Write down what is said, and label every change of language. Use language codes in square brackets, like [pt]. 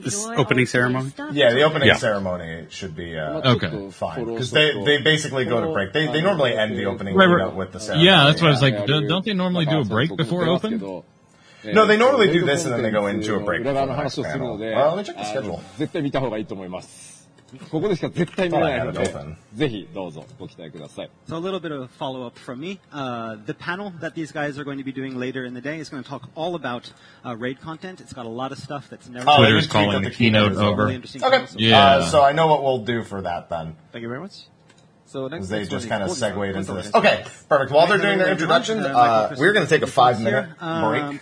[en] this opening ceremony? Yeah, the opening ceremony should be fine. Because they basically go to break. They normally end the opening keynote with the ceremony. Yeah, that's what I was like. Don't they normally do a break before open? No, they normally do this, and then they go into a break before the next panel. Well, let me check the schedule. [ja] 絶対見た方がいいと思います。ここでしか絶対見ないので、ぜひどうぞご期待ください。 [en] So a little bit of a follow-up from me. The panel that these guys are going to be doing later in the day is going to talk all about raid content. It's got a lot of stuff that's never been done. Twitter's calling the keynote over. Okay. Yeah. So I know what we'll do for that then. Thank you very much. So next they just kind of segued into this. Okay, perfect. While they're doing their introduction, we're going to take a five-minute break.